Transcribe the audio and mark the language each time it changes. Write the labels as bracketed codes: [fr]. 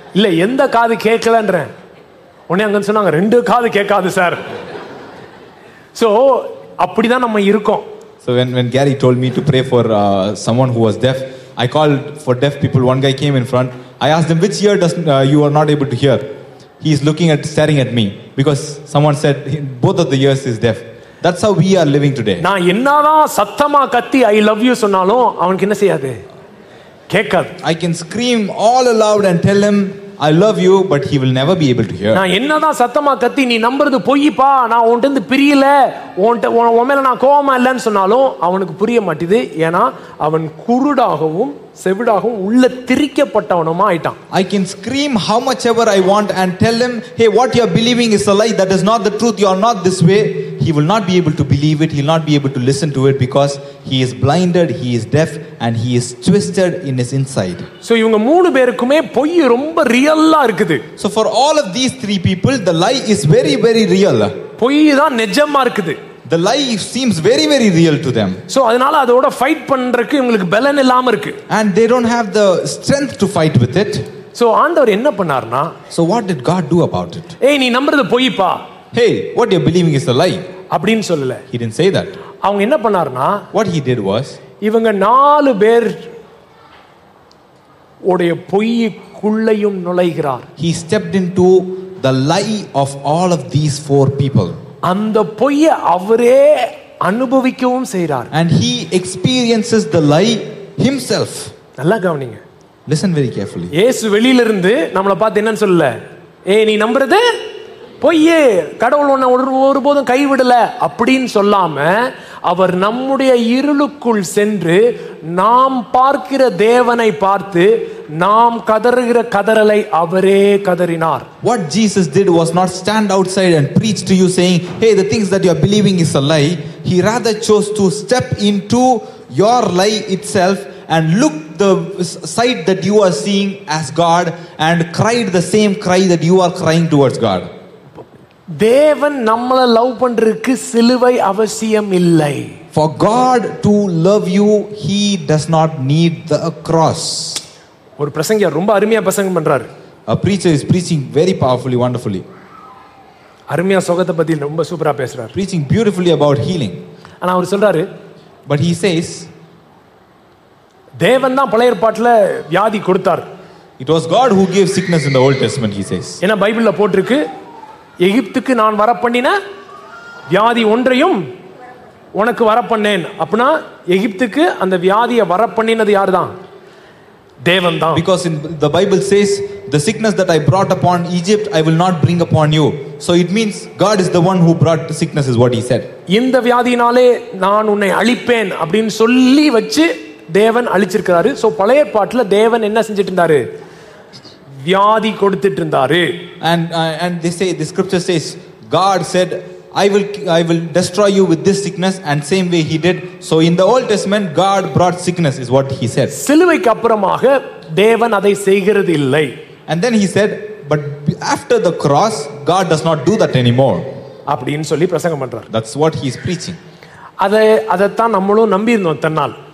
[ta] இல்ல எந்த காது கேட்கலன்ற உடனே அங்க சொன்னாங்க ரெண்டு காது கேட்காது சார். சோ அப்படிதான் நம்ம இருக்கோம். [en] So when Gary told me to pray for someone who was deaf, I called for deaf people. One guy came in front. I asked him, which ear you are not able to hear? He is looking at staring at me because someone said both of the ears is deaf. That's how we are living today. [ta] நான் என்னதான் சத்தமா கத்தி [en] I love you [ta] சொன்னாலும் அவனுக்கு என்ன செய்யாது? கேக்காது. [en] I can scream all aloud and tell him I love you, but he will never be able to hear. [ta] நான் என்னதான் சத்தமா கத்தி நீ நம்புறது பொய்ப்பா, நான் உன்கிட்ட இருந்து பிரியல, உன்கிட்ட உமேல நான் கோவமா இல்லைன்னு சொன்னாலும் அவனுக்கு புரிய மாட்டேது. ஏன்னா அவன் குருடாகவும் செவிடாகவும் உள்ள திரிக்கப்பட்டவனும் ஆயிட்டான். [en] I can scream how much ever I want and tell him, hey, what you are believing is a lie, that is not the truth, you are not this way. He will not be able to believe it, he will not be able to listen to it because he is blinded, he is deaf and he is twisted in his inside. [ta] So இவங்க மூணு பேருக்குமே பொய் ரொம்ப ரியலா இருக்குது. [en] So for all of these three people, the lie is very very real. [ta] பொய் தான் நிஜமா இருக்குது. [en] The lie seems very very real to them. [ta] So அதனால அதோட ஃபைட் பண்றதுக்கு இவங்களுக்கு பலன் இல்லாம இருக்கு. [en] And they don't have the strength to fight with it. [ta] So ஆண்டவர் என்ன பண்ணாருனா? [en] So what did God do about it? [ta] ஏய் நீ நம்புறது பொய்ப்பா. [en] Hey, what you're believing is a lie. [ta] அப்படினு சொல்லல. [en] He didn't say that. [ta] அவங்க என்ன பண்ணாருனா? [en] What he did was [ta] இவங்க நாலு பேர் உடைய பொய்க்குள்ளேயும் நுழைகிறார். [en] He stepped into the lie of all of these four people. [ta] அந்த பொய் அவரே அனுபவிக்கவும் செய்றார். [en] And he experiences the lie himself. [ta] நல்லா கவனிங்க. [en] Listen very carefully. [ta] இயேசு வெளியில இருந்து நம்மள பார்த்து என்னன்னு சொல்லல. ஏய் நீ நம்புறது பொய்யே, கடவுள் உன்னை ஒருபோதும் கைவிடல அப்படின்னு சொல்லாம அவர் நம்முடைய இருளுக்குள் சென்று நாம் பார்க்கிற தேவனை பார்த்து நாம் கதறுகிற கதறலை அவரே கதறினார். [en] What Jesus did was not stand outside and preach to you saying, hey, the things that you are believing is a lie. He rather chose to step into your lie itself and look the sight that you are seeing as God and cried the same cry that you are crying towards God. [ta] தேவன் நம்மளை love பண்றதுக்கு சிலுவை அவசியம் இல்லை. [en] For God to love you, he does not need the cross. [ta] ஒரு பிரசங்கியார் ரொம்ப அருமையா பிரசங்கம் பண்றாரு. [en] A preacher is preaching very powerfully, wonderfully. [ta] அருமையா சுகத்தை பத்தி ரொம்ப சூப்பரா பேசுறாரு. [en] Preaching beautifully about healing. [ta] ஆனா அவர் சொல்றாரு. [en] But he says [ta] தேவன் தான் பழைய ஏற்பாட்டுல வியாதி கொடுத்தார். [en] It was God who gave sickness in the Old Testament, he says. [ta] ஏன்னா பைபிள்ல போட்டிருக்கு எகிப்துக்கு நான் வரப்பண்ணின வியாதி ஒன்றையும் உனக்கு வரப்பண்ணேன். அப்பனா எகிப்துக்கு அந்த வியாதியை வரப்பண்ணினது யார்தான்? தேவன்தான். [en] Because in the Bible says the sickness that I brought upon Egypt I will not bring upon you. So it means God is the one who brought the sickness is what he said. [ta] இந்த வியாதியினாலே நான் உன்னை அழிப்பேன் அப்படினு சொல்லி வச்சு தேவன் அழிச்சிருக்காரு. So பழைய பாட்டில தேவன் என்ன செஞ்சிட்டாரு? வியாதி கொடுத்துட்டு இருந்தாரு. [en] And they say the scripture says God said I will destroy you with this sickness and same way he did. So in the Old Testament God brought sickness is what he said. [ta] சிலுவைக்கு அப்புறமாக தேவன் அதை செய்கிறது இல்லை. [en] And then he said but after the cross God does not do that anymore. [ta] அப்படினு சொல்லி பிரசங்கம் பண்றார். [en] That's what he is preaching. [ta] அதத்தான் நம்மளும் நம்பி இருந்தோம் தன்னால்.